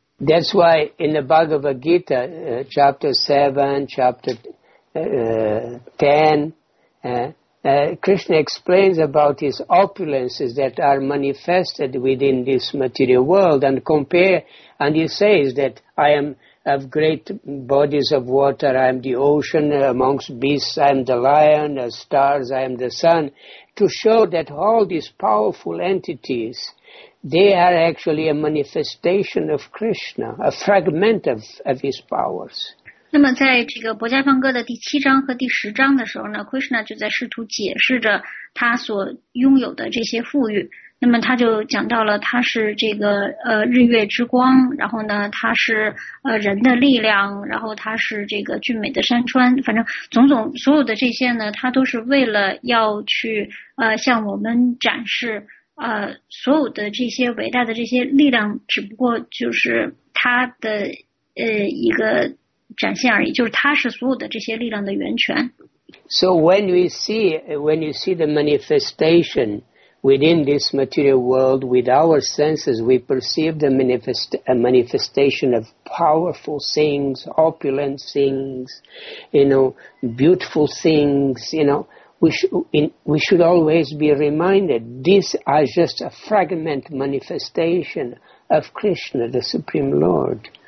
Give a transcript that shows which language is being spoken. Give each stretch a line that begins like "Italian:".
English: That's why in the Bhagavad Gita, chapter 7, chapter 10, Krishna explains about his opulences that are manifested within this material world and compare, and he says that I am of great bodies of water, I am the ocean amongst beasts, I am the lion, the stars, I am the sun, to show that all these powerful entities,they are actually a manifestation of Krishna, a fragment of his powers.
Chinese: 那么在这个《薄伽梵歌》的第七章和第十章的时候呢， Krishna 就在试图解释着他所拥有的这些富裕。那么他就讲到了，他是这个日月之光，然后呢，他是人的力量，然后他是这个俊美的山川，反正种种所有的这些呢，他都是为了要去向我们展示所有的这些伟大的这些力量，只不过就是他的一个展现而已，就是他是所有的这些力量的源泉。
English: So when you see the manifestation. Within this material world, with our senses, we perceive the manifestation of powerful things, opulent things, you know, beautiful things, you know. We should always be reminded, these are just a fragment manifestation of Krishna, the Supreme Lord.